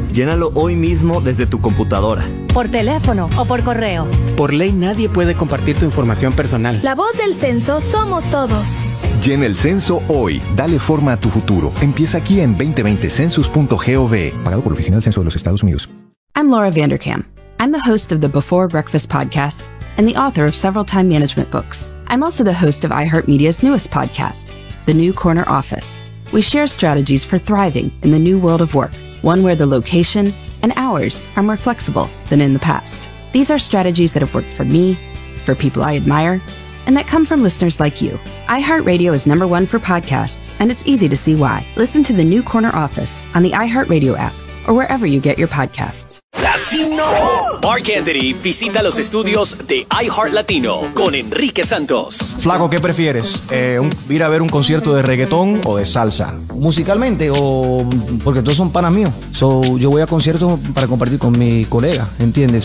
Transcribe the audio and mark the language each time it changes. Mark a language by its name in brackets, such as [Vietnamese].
[Spanish] Llénalo hoy mismo desde tu computadora, por teléfono o por correo. Por ley nadie puede compartir tu información personal. La voz del censo somos todos. Llena el censo hoy. Dale forma a tu futuro. Empieza aquí en 2020census.gov. Pagado por la Oficina del Censo de los Estados Unidos. [English] I'm Laura Vanderkam. I'm the host of the Before Breakfast podcast and the author of several time management books. I'm also the host of iHeartMedia's newest podcast, The New Corner Office. We share strategies for thriving in the new world of work, one where the location and hours are more flexible than in the past. These are strategies that have worked for me, for people I admire, and that come from listeners like you. iHeartRadio is number one for podcasts, and it's easy to see why. Listen to The New Corner Office on the iHeartRadio app or wherever you get your podcasts. [Spanish] Latino. Mark Anthony visita los estudios de iHeart Latino con Enrique Santos. Flaco, ¿qué prefieres? ¿Ir a ver un concierto de reggaetón o de salsa? Musicalmente, o porque todos son panas míos. So, yo voy a conciertos para compartir con mi colega, ¿entiendes?